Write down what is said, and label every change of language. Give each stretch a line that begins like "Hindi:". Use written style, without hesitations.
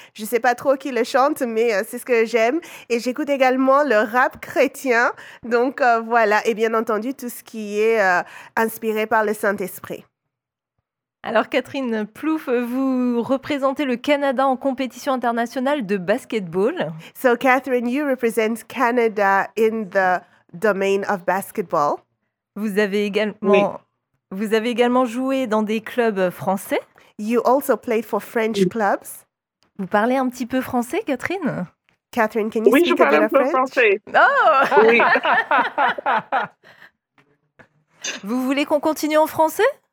French: Je ne sais pas trop qui le chante, mais c'est ce que j'aime. Et j'écoute également le rap chrétien. Donc, voilà. Et bien entendu, tout ce qui est inspiré par le Saint-Esprit. Alors Catherine Plouffe, vous représentez le Canada en compétition internationale de basketball.
English: So Catherine, you represent Canada in the domain of basketball.
French: Vous avez également joué dans des clubs français.
English: You also played for French clubs.
French: Vous parlez un petit peu français, Catherine?
English: Catherine, can you speak a bit of French?
French: Oui, je parle un peu français. Oh! Vous voulez qu'on continue en français?